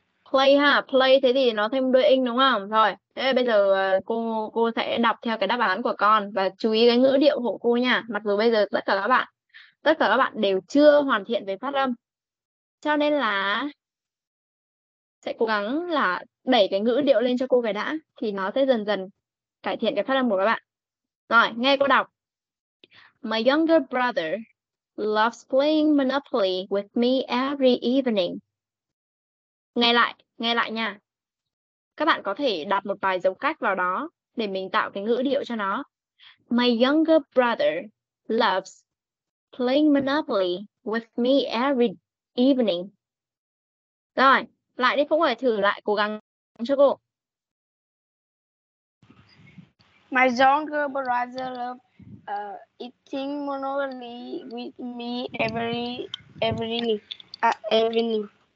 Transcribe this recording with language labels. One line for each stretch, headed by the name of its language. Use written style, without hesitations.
Vietnamese: Play ha, play thế thì nó thêm đuôi ing đúng không? Rồi, thế bây giờ cô sẽ đọc theo cái đáp án của con và chú ý cái ngữ điệu hộ cô nha. Mặc dù bây giờ tất cả các bạn đều chưa hoàn thiện về phát âm. Cho nên là sẽ cố gắng là đẩy cái ngữ điệu lên cho cô cái đã thì nó sẽ dần dần cải thiện cái phát âm của các bạn. Rồi, nghe cô đọc.
English: My younger brother loves playing Monopoly with me every evening.
Vietnamese: Nghe lại nha. Các bạn có thể đặt một vài dấu cách vào đó để mình tạo cái ngữ điệu cho nó.
English: My younger brother loves playing Monopoly with me every evening.
Vietnamese: Rồi, lại đi Phúc ơi, thử lại cố gắng cho cô.
English: My younger brother loves eating Monopoly with me every evening.